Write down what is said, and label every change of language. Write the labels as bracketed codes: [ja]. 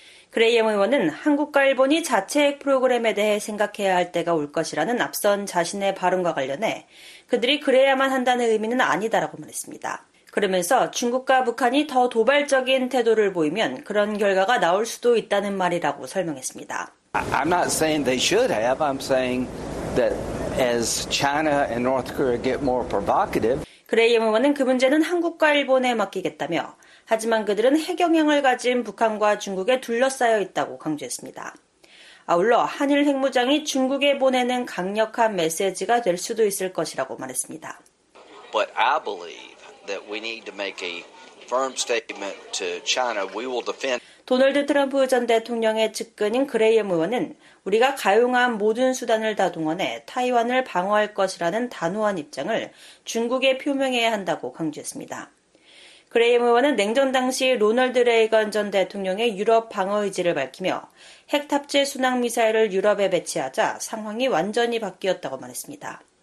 [ko] 그레이엄 의원은 한국과 일본이 자체 핵 프로그램에 대해 생각해야 할 때가 올 것이라는 앞선 자신의 발언과 관련해 그들이 그래야만 한다는 의미는 아니다라고 말했습니다. 그러면서 중국과 북한이 더 도발적인 태도를 보이면 그런 결과가 나올 수도 있다는 말이라고 설명했습니다. [en] I'm not saying they should have. I'm saying that as China and North Korea get more provocative. [ko] 그레이엄 의원은 그 문제는 한국과 일본에 맡기겠다며 하지만 그들은 핵영향을 가진 북한과 중국에 둘러싸여 있다고 강조했습니다. 아울러 한일 핵무장이 중국에 보내는 강력한 메시지가 될 수도 있을 것이라고 말했습니다. [en] But I believe that we need to make a firm statement to China. We will defend. [ko] 도널드 트럼프 전 대통령의 측근인 그레이엄 의원은 우리가 가용한 모든 수단을 다 동원해 타이완을 방어할 것이라는 단호한 입장을 중국에 표명해야 한다고 강조했습니다. 그레이엄 의원은 냉전 당시 로널드 레이건 전 대통령의 유럽 방어 의지를 밝히며 핵탑재 순항미사일을 유럽에 배치하자 상황이 완전히 바뀌었다고 말했습니다.